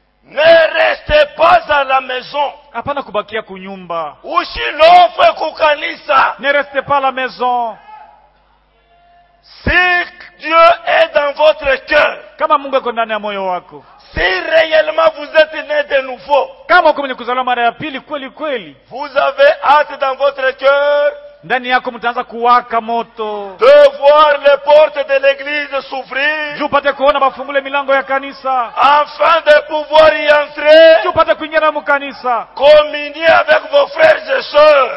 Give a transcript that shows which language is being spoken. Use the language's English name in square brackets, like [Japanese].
[French] Ne restez pas à la maison. [Swahili] Hapana kubakia kunyumba. Usilofe kukanisa. [French] Ne restez pas à la maison. Si Dieu est dans votre cœur. [Swahili] Kama Mungu yuko ndani ya moyo wako. [French] Si réellement vous êtes né de nouveau. [Swahili] Kama uko mwenye kuzaliwa mara ya pili kweli kweli. [French] Vous avez hâte dans votre cœur. [Swahili] Ndani yako mtaanza kuwaka moto. [French] De voir les portes de l'église s'ouvrir. [Swahili] Jupate kuona mafungule milango ya kanisa. [French] Afin de pouvoir y entrer. [Swahili] Jupate kuingia na mkanisa. [French] Communier avec vos frères et sœurs.